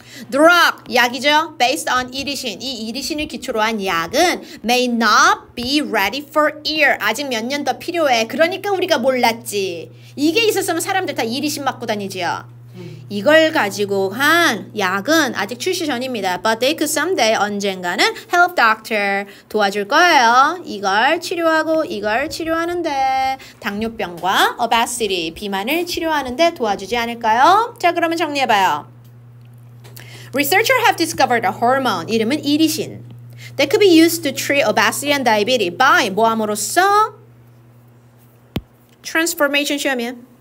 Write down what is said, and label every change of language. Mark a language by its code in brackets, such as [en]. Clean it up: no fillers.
[ko] Drug 약이죠. [en] Based on [ko] 이리신 이 이리신을 기초로 한 약은 [en] may not be ready for ear [ko] 아직 몇 년 더 필요해. 그러니까 우리가 몰랐지. 이게 있었으면 사람들 다 이리신 맞고 다니지요. 이걸 가지고 한 약은 아직 출시 전입니다. [en] But they could someday [ko] 언젠가는 [en] help doctor [ko] 도와줄 거예요. 이걸 치료하고 이걸 치료하는데 당뇨병과 obesity 비만을 치료하는데 도와주지 않을까요? 자 그러면 정리해봐요. [en] Researchers have discovered a hormone [ko] 이름은 이리신. [en] That could be used to treat obesity and diabetes by [ko] 뭐함으로써 [en] transformation [ko] 시험이야.